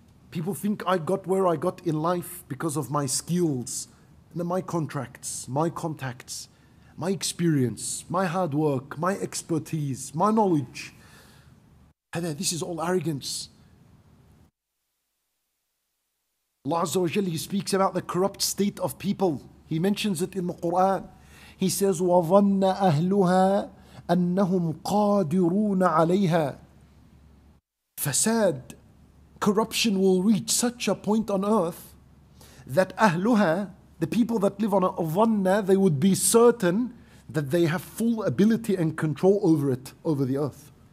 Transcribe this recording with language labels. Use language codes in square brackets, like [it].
[en] People think I got where I got in life because of my skills, my contracts, my contacts, my experience, my hard work, my expertise, my knowledge. This is all arrogance. Allah Azza wa Jalla, He speaks about the corrupt state of people. He mentions it in the Quran. He says, [ar] وَظَنَّ أَهْلُهَا أَنَّهُمْ قَادِرُونَ عَلَيْهَا. [en] Fasad. Corruption will reach such a point on earth that ahluha, the people that live on a vanna, they would be certain that they have full ability and control over it, over the earth.